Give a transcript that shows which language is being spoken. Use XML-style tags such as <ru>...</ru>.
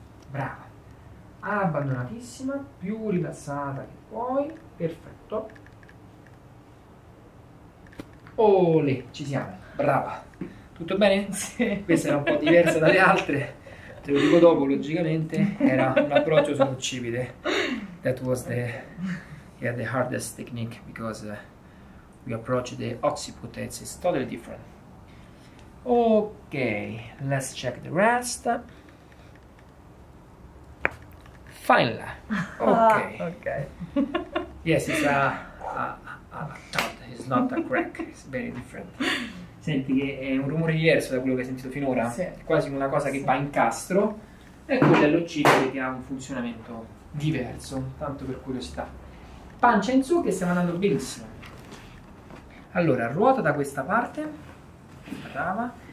<it>Brava. Abbandonatissima, più rilassata che puoi. Perfetto. Olè, ci siamo. Brava. Tutto bene? Sì. Questa era un po' diversa dalle altre. Te lo dico dopo, logicamente, era un approccio sul occipite.</it> <en>That was the hardest technique because we approach the occiput, it's totally different. Ok, let's check the rest. Finally. Ok. Yes, it's a thud, it's not a crack, it's very different.</en> <it>Senti che è un rumore diverso da quello che hai sentito finora. Sì, È quasi una cosa che va sì. incastro. E quello dell'occipite che ha un funzionamento diverso, tanto per curiosità. Pancia in su che stiamo andando benissimo. Allora, ruota da questa parte. Brava.</it>